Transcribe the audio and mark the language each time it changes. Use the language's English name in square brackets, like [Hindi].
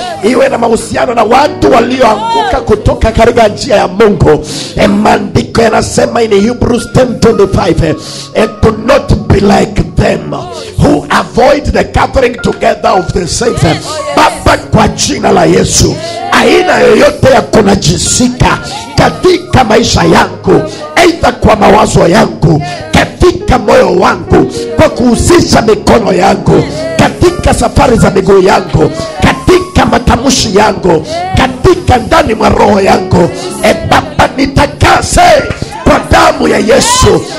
[Swahili] Iwe na mahusiano na watu walioanguka kutoka katika njia ya Mungu. Maandiko yanasema [English] in Hebrews 10:25, to not be like them who avoid the gathering together of the saints. [Swahili] Baba, kwa jina la Yesu, aina yoyote ya kunajisika katika maisha yangu, aidha kwa mawazo yangu, katika moyo wangu, kwa kuhusisha mikono yangu, katika safari za miguu yangu, katika matamshi yangu, katika ndani mwa roho yangu, Baba, nitakase kwa damu ya Yesu.